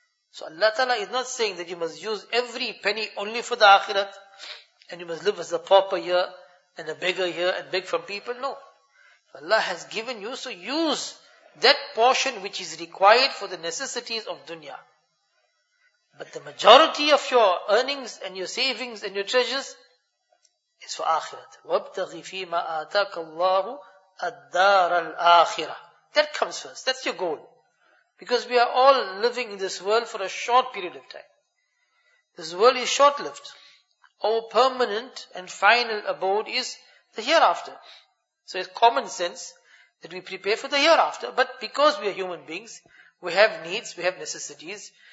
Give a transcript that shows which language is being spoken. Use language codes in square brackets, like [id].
[en] So Allah Ta'ala is not saying that you must use every penny only for the akhirat, and you must live as a pauper here, and a beggar here, and beg from people. No. Allah has given you, so use that portion which is required for the necessities of dunya. But the majority of your earnings, and your savings, and your treasures, is for akhirat. [ar] وَابْتَغِ فِي مَا آتَاكَ اللَّهُ الدَّارَ الْآخِرَةِ [en] That comes first. That's your goal. Because we are all living in this world for a short period of time. This world is short-lived. our permanent and final abode is the hereafter. So it's common sense that we prepare for the hereafter. But because we are human beings, we have needs, we have necessities.